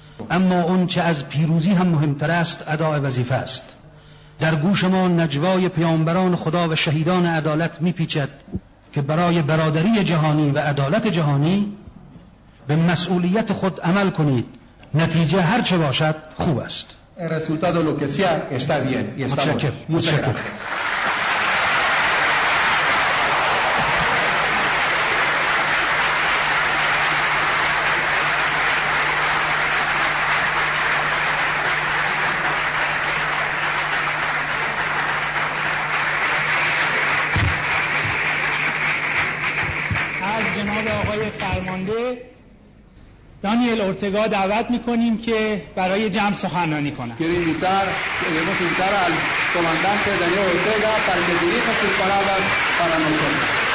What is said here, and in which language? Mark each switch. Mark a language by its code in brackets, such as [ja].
[fa] اما اون چه از پیروزی هم مهمتر است اداء وظیفه است. در گوش ما نجوای پیامبران خدا و شهیدان عدالت میپیچد که برای برادری جهانی و عدالت جهانی به مسئولیت خود عمل کنید. نتیجه هر چه باشد خوب است. [es] El resultado lo que sea está bien y está bueno. Muchas gracias. [fa] Al جناب آقای فرمانده دانیل اورتگا دعوت میکنیم که برای جمع سخنرانی کنه. [es] Queremos invitar, al comandante Daniel Ortega para que dirija sus palabras para nosotros.